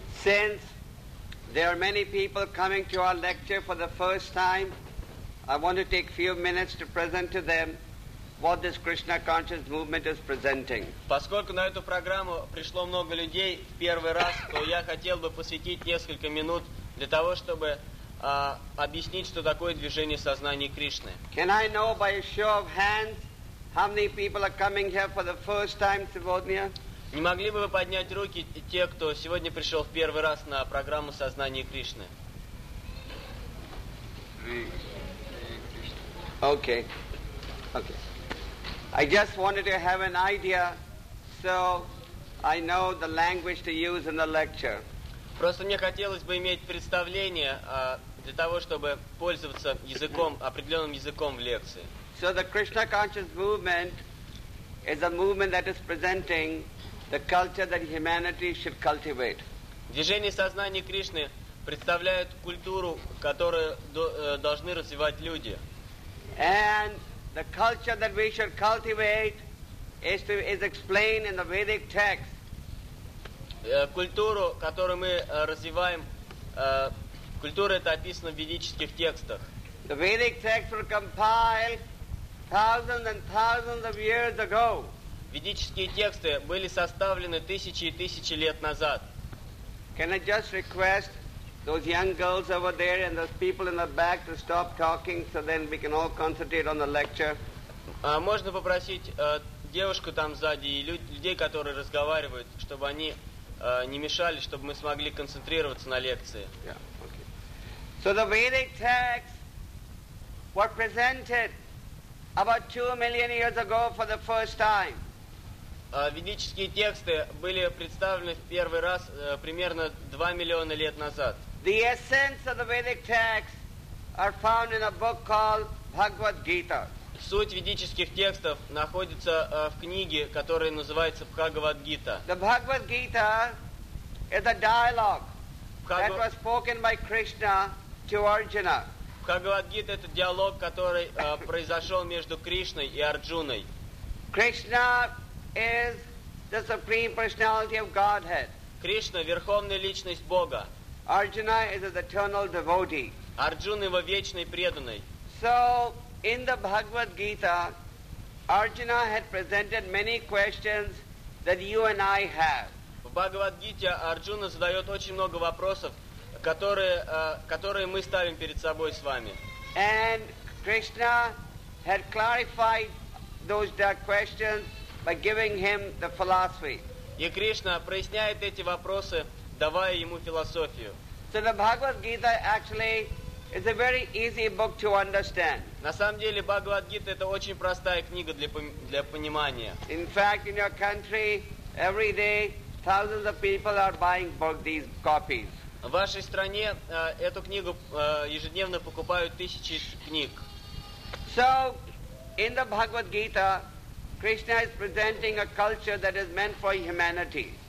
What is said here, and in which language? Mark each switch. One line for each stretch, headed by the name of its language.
English: Since there are many people coming to our lecture for the first time, I want to take a few minutes to present to them what this Krishna Conscious Movement is presenting.
Russian: Поскольку на эту программу пришло много людей в первый раз, то я хотел бы посвятить несколько минут для того, чтобы объяснить, что такое движение сознания Кришны.
English: Can I know by a show of hands how many people are coming here for the first time
Russian: сегодня? Не могли бы вы поднять руки те, кто сегодня пришел в первый раз на программу сознания Кришны?
English: Okay. I just wanted to have an idea, so I know the language to use in the lecture.
Russian: Просто мне хотелось бы иметь представление для того, чтобы пользоваться языком, определенным языком в лекции.
English: So the Krishna Conscious Movement is a movement that is presenting the culture that humanity should cultivate.
Russian: Движение сознания Кришны представляет культуру, которую должны развивать люди.
English: And the culture that we should cultivate is explained in the Vedic text.
Russian: Культуру, которую мы развиваем, культура эта описана в ведических текстах.
English: The Vedic texts were compiled thousands and thousands of years ago.
Russian: Ведические тексты были составлены тысячи и тысячи лет назад.
English: Can I just request those young girls over there and those people in the back to stop talking so then we can all concentrate on the lecture?
Russian: Можно попросить девушку там сзади и людей, которые разговаривают, чтобы они не мешали, чтобы мы смогли концентрироваться на лекции.
English: Yeah, okay. So the Vedic texts were presented about 2 million years ago for the first time.
Russian: Ведические тексты были представлены в первый раз примерно 2 миллиона лет назад.
English: The essence of the Vedic texts are found in a book called Bhagavad Gita.
Russian: Суть ведических текстов находится в книге, которая называется Bhagavad Gita.
English: The Bhagavad Gita is a dialogue that was spoken by Krishna to Arjuna.
Russian: Bhagavad Gita это диалог, который произошел между Кришной и Арджуной.
English: Krishna is the supreme personality of Godhead.
Russian: Кришна верховная личность Бога.
English: Arjuna is an eternal devotee.
Russian: Арджуна его вечный преданный.
English: So in the Bhagavad Gita, Arjuna had presented many questions that you and I have.
Russian: В Бхагавад-гите Арджуна задает очень много вопросов, которые мы ставим перед собой с вами.
English: And Krishna had clarified those dark questions by giving him the philosophy.
Russian: И Кришна проясняет эти вопросы, давая ему философию.
English: So the Bhagavad Gita actually is a very easy book to understand.
Russian: На самом деле, Бхагавад Гита это очень простая книга для понимания.
English: In fact, in your country, every day thousands of people are buying these copies.
Russian: В вашей стране эту книгу ежедневно покупают тысячи книг.
English: So, in the Bhagavad Gita, Krishna is presenting a culture that is meant for humanity.